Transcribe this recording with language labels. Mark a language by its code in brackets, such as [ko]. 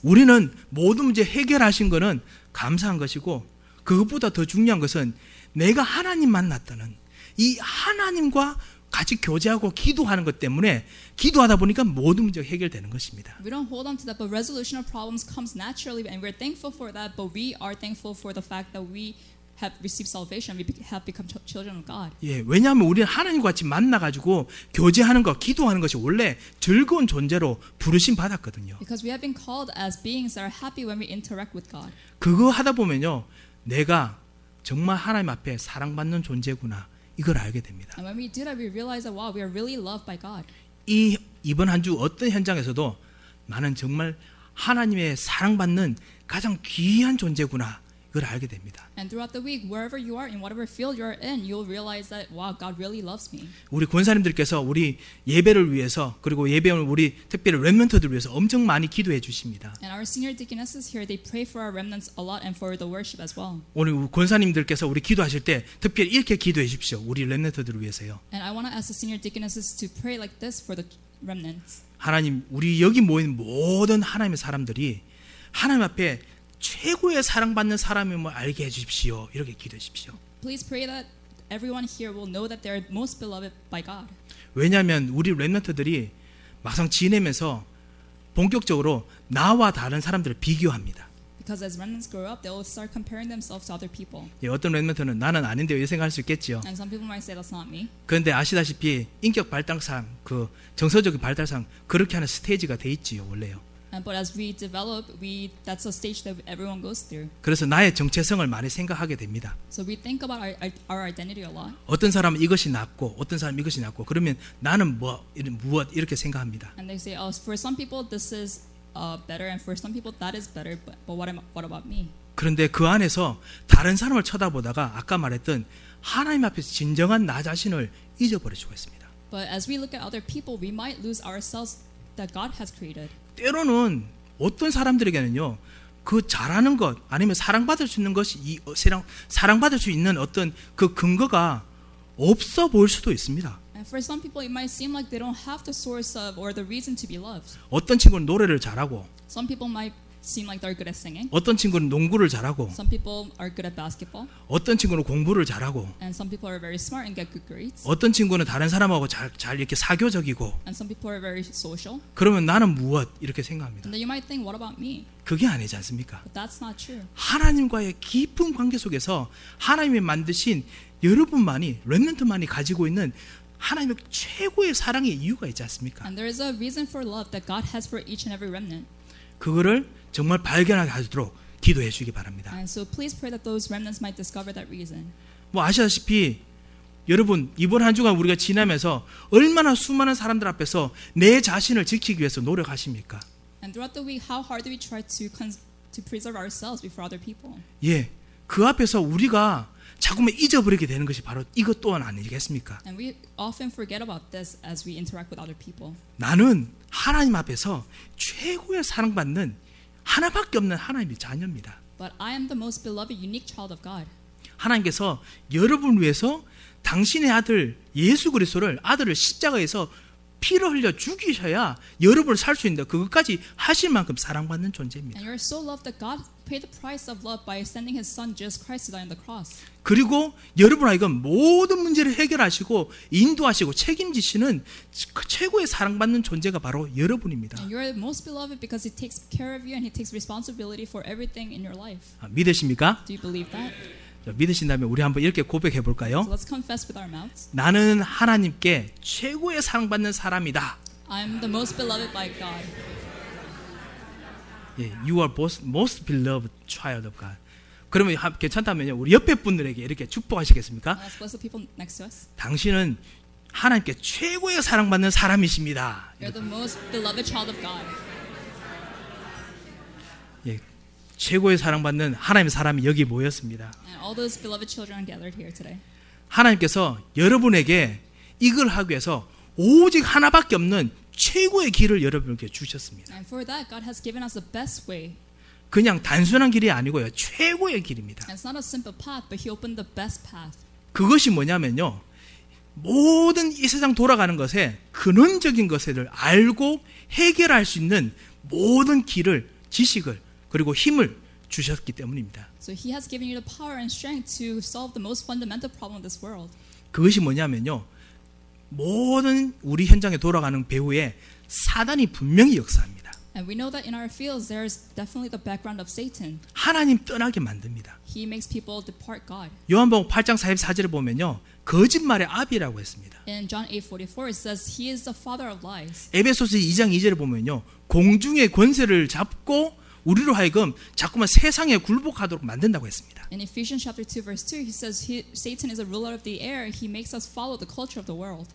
[ko] 우리는 모든 문제 해결하신 것은 감사한 것이고 그것보다 더 중요한 것은 내가 하나님 만났다는 이 하나님과 같이 교제하고 기도하는 것 때문에 기도하다 보니까 모든 문제가 해결되는 것입니다. [en] We don't hold on to that, but resolution of problems comes naturally, and we're thankful for that. But we are thankful for the fact that we have received salvation. We have become children of God. [ko] 예, 왜냐하면 우리는 하나님과 같이 만나가지고 교제하는 것, 기도하는 것이 원래 즐거운 존재로 부르심 받았거든요. [en] Because we have been called as beings that are happy when we interact with God. [ko] 그거 하다 보면요, 내가 정말 하나님 앞에 사랑받는 존재구나 이걸 알게 됩니다. [en] And when we do that, we realize that wow, we are really loved by God. [ko] 이 이번 한 주 어떤 현장에서도 나는 정말 하나님의 사랑받는 가장 귀한 존재구나. 그걸 알게 됩니다. [en] And throughout the week, wherever you are, in whatever field you are in, you'll realize that wow, God really loves me. [ko] 우리 권사님들께서 우리 예배를 위해서 그리고 예배를 우리 특별히 렘넌트들 위해서 엄청 많이 기도해 주십니다. [en] And our senior deaconesses here, they pray for our remnants a lot and for the worship as well. [ko] 오늘 권사님들께서 우리 기도하실 때 특별히 이렇게 기도해 주십시오. 우리 렘넌트들 위해서요. [en] And I want to ask the senior deaconesses to pray like this for the remnants. [ko] 하나님, 우리 여기 모인 모든 하나님의 사람들이 하나님 앞에 최고의 사랑받는 사람임을 알게 해 주십시오. 이렇게 기도하십시오. [en] Please pray that everyone here will know that they are most beloved by God. [ko] 왜냐하면 우리 렘넌트들이 막상 지내면서 본격적으로 나와 다른 사람들을 비교합니다. [en] Because as remnants grow up, they will start comparing themselves to other people. [ko] 예, 어떤 렘넌트는 나는 아닌데요. 이렇게 생각할 수 있겠지요. [en] And some people might say that's not me. [ko] 그런데 아시다시피 인격 발달상 그 정서적인 발달상 그렇게 하는 스테이지가 돼 있지요, 원래요. [en] But as we develop, that's a stage that everyone goes through. [ko] 그래서 나의 정체성을 많이 생각하게 됩니다. [en] So we think about our identity a lot. [ko] 어떤 사람은 이것이 낫고, 어떤 사람은 이것이 낫고, 그러면 나는 무엇 이렇게 생각합니다. [en] And they say, oh, for some people this is better, and for some people that is better. But what about me? [ko] 그런데 그 안에서 다른 사람을 쳐다보다가 아까 말했던 하나님 앞에서 진정한 나 자신을 잊어버릴 수가 있습니다. [en] But as we look at other people, we might lose ourselves that God has created. [ko] 때로는 어떤 사람들에게는요, 그 잘하는 것 아니면 사랑받을 수 있는 것이 사랑받을 수 있는 어떤 그 근거가 없어 보일 수도 있습니다. [en] And for some people, it might seem like they don't have the source of or the reason to be loved. [ko] 어떤 친구는 노래를 잘하고, [en] some people might seem like they're good at singing. [ko] 어떤 친구는 농구를 잘하고, [en] some people are good at basketball. [ko] 어떤 친구는 공부를 잘하고, [en] and some people are very smart and get good grades. [ko] 어떤 친구는 다른 사람하고 잘 이렇게 사교적이고, [en] and some people are very social. [ko] 그러면 나는 무엇 이렇게 생각합니다. [en] And then you might think, what about me? [ko] 그게 아니지 않습니까? [en] But that's not true. [ko] 하나님과의 깊은 관계 속에서 하나님이 만드신 여러분만이 렘넌트만이 가지고 있는 하나님의 최고의 사랑의 이유가 있지 않습니까? [en] And there is a reason for love that God has for each and every remnant. [ko] 그거를 정말 발견하게 하도록 기도해 주시기 바랍니다. [en] And so please pray that those remnants might discover that reason. [ko] 뭐 아시다시피 여러분 이번 한 주간 우리가 지나면서 얼마나 수많은 사람들 앞에서 내 자신을 지키기 위해서 노력하십니까? [en] And throughout the week, how hard do we try to preserve ourselves before other people? [ko] 예, 그 앞에서 우리가 자꾸만 잊어버리게 되는 것이 바로 이것 또한 아니겠습니까? [en] And we often forget about this as we interact with other people. [ko] 나는 하나님 앞에서 최고의 사랑받는 하나밖에 없는 하나님의 자녀입니다. [en] But I am the most beloved, unique child of God. [ko] 하나님께서 여러분 위해서 당신의 아들 예수 그리스도를 아들을 십자가에서 피를 흘려 죽이셔야 여러분을 살 수 있는데 그것까지 하실 만큼 사랑받는 존재입니다. [en] And you are so loved that God paid the price of love by sending His Son Jesus Christ to die on the cross. [ko] 그리고 여러분 아이건 모든 문제를 해결하시고 인도하시고 책임지시는 최고의 사랑받는 존재가 바로 여러분입니다. [en] And you are most beloved because He takes care of you and He takes responsibility for everything in your life. [ko] 아, 믿으십니까? [en] Do you believe that? [ko] 믿으신다면 우리 한번 이렇게 고백해 볼까요? [en] So let's confess with our mouths. [ko] 나는 하나님께 최고의 사랑받는 사람이다. [en] I'm the most beloved by God. You are most beloved child of God. [ko] 그러면 괜찮다면요 우리 옆에 분들에게 이렇게 축복하시겠습니까? [en] Let's bless the people next to us. [ko] 당신은 하나님께 최고의 사랑받는 사람이십니다. [en] You're the most beloved child of God. [ko] 예. 최고의 사랑받는 하나님의 사람이 여기 모였습니다. [en] And all those beloved children gathered here today. [ko] 하나님께서 여러분에게 이걸 하기 위해서 오직 하나밖에 없는 최고의 길을 여러분에게 주셨습니다. [en] And for that, God has given us the best way. [ko] 그냥 단순한 길이 아니고요. 최고의 길입니다. [en] It's not a simple path, but He opened the best path. [ko] 그것이 뭐냐면요. 모든 이 세상 돌아가는 것에 근원적인 것을 알고 해결할 수 있는 모든 길을 지식을 그리고 힘을 주셨기 때문입니다. [en] So he has given you the power and strength to solve the most fundamental problem in this world. [ko] 그것이 뭐냐면요. 모든 우리 현장에 돌아가는 배후에 사단이 분명히 역사합니다. [en] And we know that in our fields there is definitely the background of Satan. [ko] 하나님 떠나게 만듭니다. [en] He makes people depart God. [ko] 요한복음 8장 44절을 보면요. 거짓말의 아비라고 했습니다. [en] In John 8:44 it says he is the father of lies. [ko] 에베소서 2장 2절을 보면요. 공중의 권세를 잡고 우리로 하여금 자꾸만 세상에 굴복하도록 만든다고 했습니다. [en] In Ephesians chapter 2 verse 2 he says Satan is a ruler of the air. He makes us follow the culture of the world.